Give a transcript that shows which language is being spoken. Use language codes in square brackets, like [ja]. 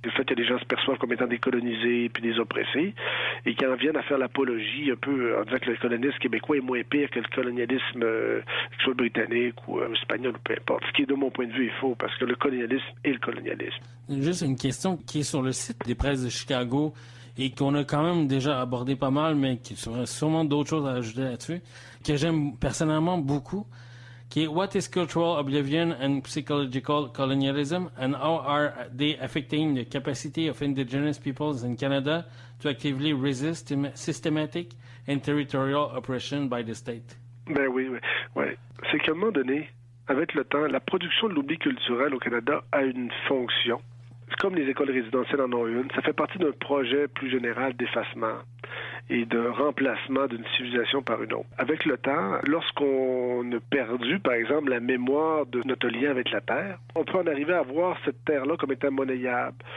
[fr] Le fait que les gens se perçoivent comme étant des colonisés puis des oppressés et qu'ils en viennent à faire l'apologie un peu en disant que le colonialisme québécois est moins pire que le colonialisme que soit britannique ou espagnol ou peu importe. Ce qui, de mon point de vue, est faux parce que le colonialisme est le colonialisme. Juste une question qui est sur le site des presses de Chicago et qu'on a quand même déjà abordé pas mal, mais qu'il y aurait sûrement d'autres choses à ajouter là-dessus, que j'aime personnellement beaucoup. Okay. [en] What is cultural oblivion and psychological colonialism, and how are they affecting the capacity of indigenous peoples in Canada to actively resist systematic and territorial oppression by the state? [fr] Ben oui, oui. Ouais. C'est qu'à un moment donné, avec le temps, la production de l'oubli culturel au Canada a une fonction. Comme les écoles résidentielles en ont une, ça fait partie d'un projet plus général d'effacement et de remplacement d'une civilisation par une autre. Avec le temps, lorsqu'on a perdu, par exemple, la mémoire de notre lien avec la Terre, on peut en arriver à voir cette Terre-là comme étant monnayable.